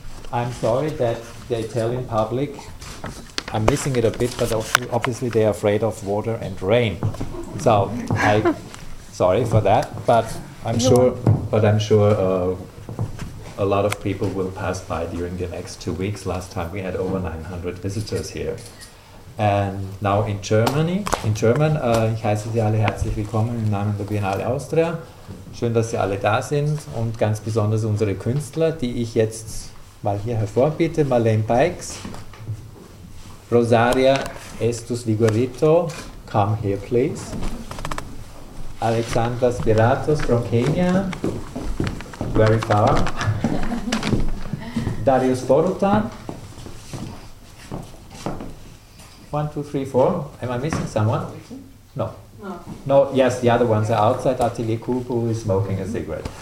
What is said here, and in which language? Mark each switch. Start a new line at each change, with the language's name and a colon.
English: I'm sorry that the Italian public, I'm missing it a bit, but obviously they are afraid of water and rain. So I sorry for that, but I'm sure a lot of people will pass by during the next 2 weeks. Last time we had over 900 visitors here. And now in Germany, in German,
German: ich heiße Sie alle herzlich willkommen im Namen der Biennale Austria. Schön, dass Sie alle da sind und ganz besonders unsere Künstler, die ich jetzt mal hier hervorbiete: Marlene Pikes, Rosaria Estus Liguerito,
English: come here please. Alexandra Spiratos from Kenya, very far. Darius Borutan. One, two, three, four. Am I missing someone? No. No, yes, the other ones are outside. Atelier Kubu is smoking a cigarette.